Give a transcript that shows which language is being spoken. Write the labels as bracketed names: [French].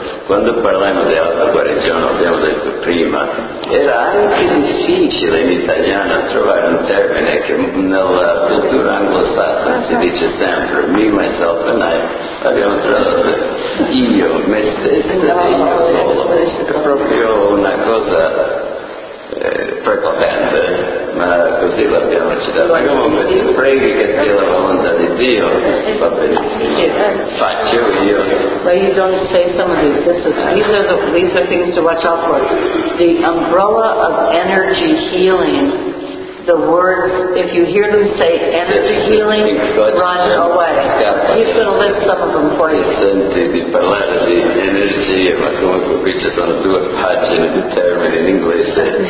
[Italian] Quando parliamo di alta guarigione, abbiamo detto prima, era anche difficile in italiano trovare un termine che nella cultura anglosassone si dice sempre, [English] me, myself and I, [Italian] abbiamo trovato io, me stesso e io solo. È proprio una cosa prepotente. Ma così l'abbiamo accettato. Comunque ti preghi che sia la volontà di Dio, va benissimo, faccio io. [English] But you don't say some of these. These are things to watch out for. The umbrella of energy healing. The words, if you hear them say energy healing, run away. He's going to list some of them for you. [Italian] Senti di parlare di energia, ma comunque qui ci sono due pagine di termini in inglese.